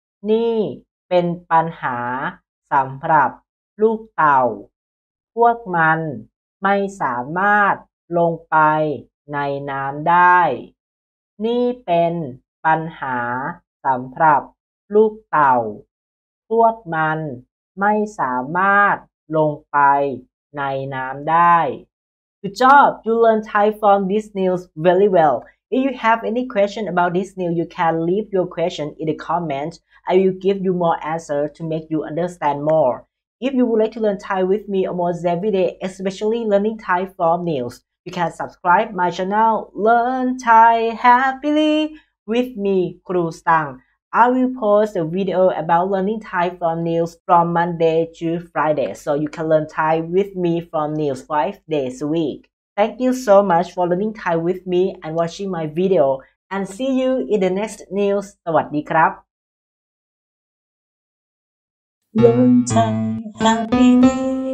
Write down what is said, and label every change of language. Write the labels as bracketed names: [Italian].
[Thai] นี่เป็นปัญหาสำหรับลูกเต่าพวกมันไม่สามารถลงไปในน้ำได้นี่เป็นปัญหาสำหรับลูกเต่าพวกมันไม่สามารถลงไปในน้ำได้ [English] Good job! You learned Thai from this news very well. If you have any question about this news, you can leave your question in the comments. I will give you more answer to make you understand more. If you would like to learn Thai with me almost every day, especially learning Thai from news, you can subscribe my channel Learn Thai Happily with me, Kru Sang. I will post a video about learning Thai from news from Monday to Friday, so you can learn Thai with me from news 5 days a week. Thank you so much for learning Thai with me and watching my video, and see you in the next news. [Thai] สวัสดีครับ Learn Thai Happily.